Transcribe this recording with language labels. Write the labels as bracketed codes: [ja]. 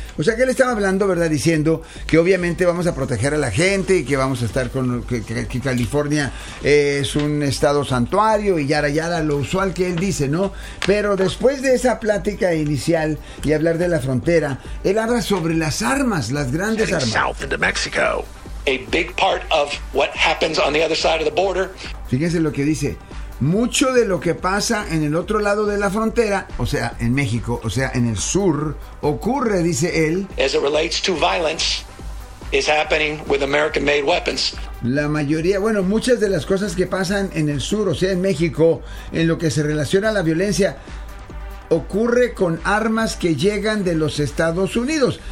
[es] O sea, que él estaba hablando, ¿verdad?, diciendo que obviamente vamos a proteger a la gente y que vamos a estar con que California es un estado santuario y yara yara, lo usual que él dice, ¿no? Pero después de esa plática inicial y hablar de la frontera, él habla sobre las armas, las grandes armas. [en] South into Mexico. A big part of what happens on the other side of the border. [es] Fíjense lo que dice. Mucho de lo que pasa en el otro lado de la frontera, o sea, en México, o sea, en el sur, ocurre, dice él. [en] As it relates to violence, is happening with American-made weapons. [es] La mayoría, bueno, muchas de las cosas que pasan en el sur, o sea, en México, en lo que se relaciona a la violencia, ocurre con armas que llegan de los Estados Unidos.